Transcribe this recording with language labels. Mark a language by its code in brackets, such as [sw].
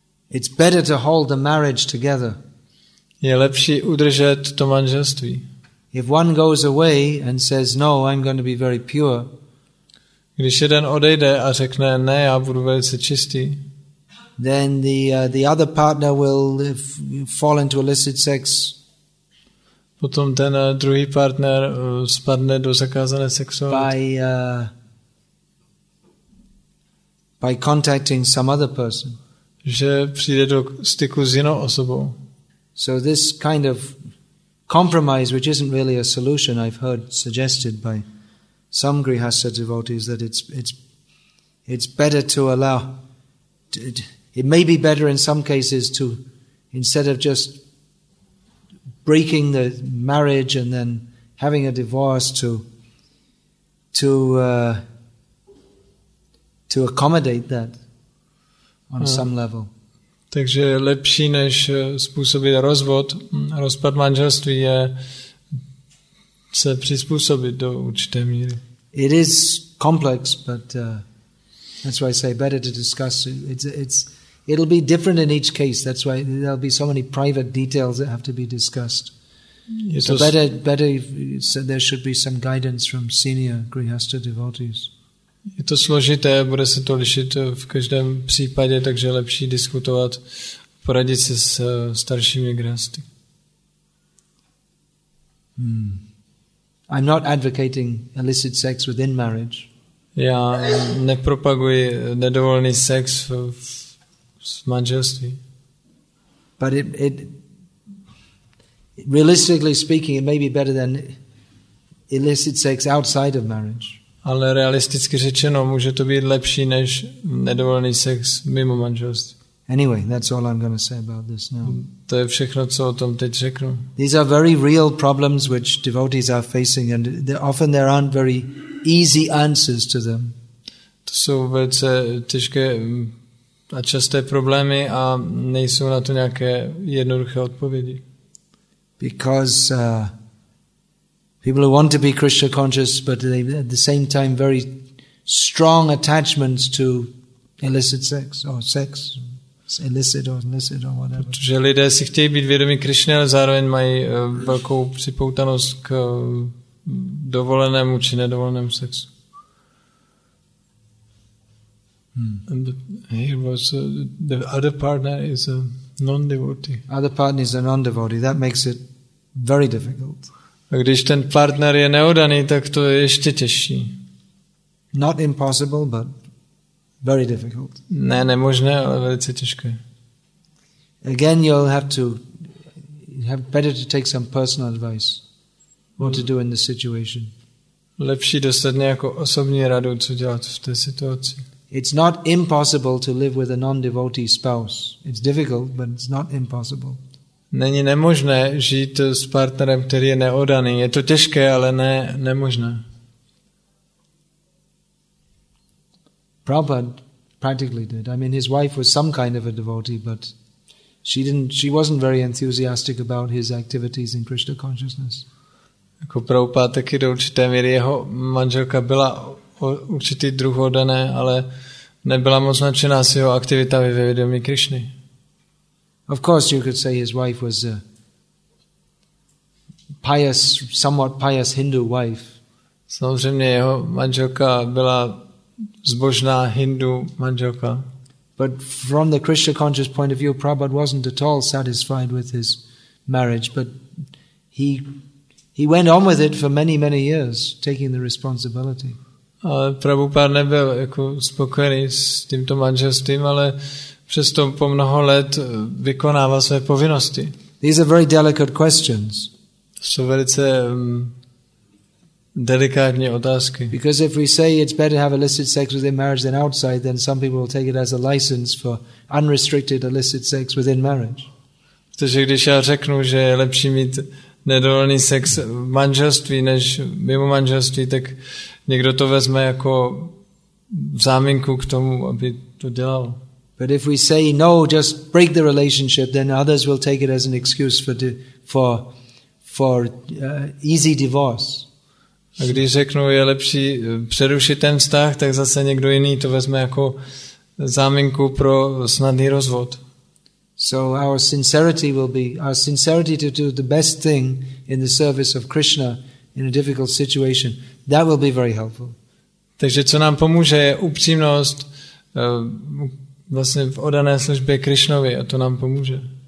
[en] It's better to hold the marriage together. [cs] Je lepší udržet to manželství. [en] If one goes away and says no, I'm going to be very pure. [cs] Když jeden odejde a řekne ne, já budu velice čistý. [en] Then the other partner will fall into illicit sex. [cs] Potom ten druhý partner spadne do zakázané sexuality. [en] By contacting some other person. [cs] že přijde do styku s jinou osobou. [en] So this kind of compromise, which isn't really a solution, I've heard suggested by some Grihastha devotees that it's better to allow. It may be better in some cases to, instead of just breaking the marriage and then having a divorce, to accommodate that on some level. [cs] Takže lepší než způsobit rozvod, rozpad manželství je se přizpůsobit do určité míry. [en] It is complex, but that's why I say better to discuss. It'll be different in each case. That's why there'll be so many private details that have to be discussed. There should be some guidance from senior Grihastha devotees. [cs] Je to složité, bude se to lišit v každém případě, takže je lepší diskutovat, poradit se s staršími grihasty. [en] I'm not advocating illicit sex within marriage. [cs] Já nepropaguji nedovolený sex v manželství. [en] But it realistically speaking, it may be better than illicit sex outside of marriage. [cs] Ale realisticky řečeno, může to být lepší než nedovolený sex mimo manželství. [en] Anyway, that's all I'm going to say about this now. [cs] To je všechno, co o tom teď řeknu. [en] These are very real problems which devotees are facing, and often there aren't very easy answers to them. [cs] To jsou velice těžké a časté problémy a nejsou na to nějaké jednoduché odpovědi. [en] Because people who want to be Krishna conscious, but they at the same time very strong attachments to illicit or whatever. [cs] Protože lidé si chtějí být vědomí Krishny, ale zároveň mají velkou připoutanost k dovolenému či nedovolenému sexu. [en] The other partner is a non-devotee. Other partner is a non-devotee. That makes it very difficult. [cs] A když ten partner je neodaný, tak to je ještě těžší. [en] Not impossible, but very difficult. [cs] Ne, nemožné, ale velice těžké. [en] Again, you'll have better to take some personal advice what to do in the situation. [cs] Lepší dostat nějakou osobní radu, co dělat v té situaci. [en] It's not impossible to live with a non-devotee spouse. It's difficult, but it's not impossible. [cs] Není nemožné žít s partnerem, který je neodaný. Je to těžké, ale ne nemožné. [en] Prabhupada practically did. I mean, his wife was some kind of a devotee, but she wasn't very enthusiastic about his activities in Krishna consciousness. [cs] Jako Prabhupada taky do určité míry jeho manželka byla určitý druh odané, ale nebyla moc nadšená s jeho aktivitami ve vědomí Krišny. [en] Of course, you could say his wife was a pious, somewhat pious Hindu wife. [cs] Samozřejmě jeho manželka byla zbožná Hindu manželka. [en] But from the Krishna conscious point of view, Prabhupada wasn't at all satisfied with his marriage, but he went on with it for many, many years, taking the responsibility. [cs] Ale Prabhupada nebyl jako spokojený s tímto manželstvím, ale přesto po mnoho let vykonával své povinnosti. [en] These are very delicate questions. [cs] Jsou velice delikátní otázky. [en] Because if we say it's better to have illicit sex within marriage than outside, then some people will take it as a license for unrestricted illicit sex within marriage. [cs] Protože když já řeknu, že je lepší mít nedovolený sex v manželství než mimo manželství, tak někdo to vezme jako záminku k tomu, aby to dělal. [en] But if we say no, just break the relationship, then others will take it as an excuse for easy divorce. [cs] A když řeknu, je lepší přerušit ten vztah, tak zase někdo jiný to vezme jako záminku pro snadný rozvod. [en] So our sincerity to do the best thing in the service of Krishna in a difficult situation, that will be very helpful. [cs] Takže co nám pomůže je upřímnost vlastně v oddané službě Krišnovi, a to nám pomůže.